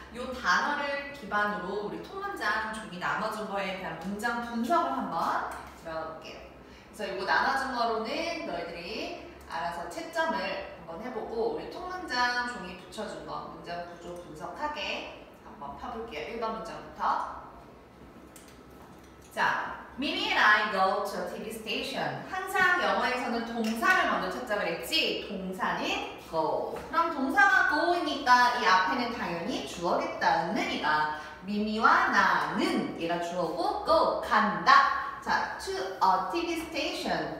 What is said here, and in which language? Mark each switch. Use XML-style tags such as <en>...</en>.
<ko>요 단어를 기반으로 우리 토론장 종이 나눠준 거에 대한 문장 분석을 한번 들어볼게요. 그래서 이거 나눠준 거로는 너희들이 알아서 채점을 한번 해보고 우리 통문장 종이 붙여준 거 문장 구조 분석하게 한번 펴볼게요. 1번 문장부터.</ko> <en>자, Minnie and I go to a TV station.</en> <ko>항상 영어에서는 동사를 먼저 찾자고 했지? 동사는 go. 그럼 동사가 go이니까 이 앞에는 당연히 주어겠다. 는이다. 미미와 나는 얘가 주어고 go 간다.</ko> <en>자, to a TV station.</en>